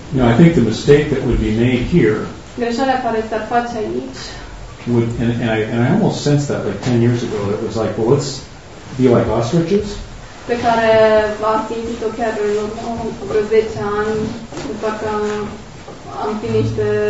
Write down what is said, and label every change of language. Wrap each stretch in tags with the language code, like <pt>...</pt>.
<en>No, I think the mistake that would be made here.</en> <ro>Greșeala care s-ar face aici.</ro> <en>And I almost sensed that like 10 years ago that it was like, well, let's be like ostriches.</en> <ro>Pe care v-a simțit-o chiar în urmă vreo 10 ani, după că am fi niște</ro>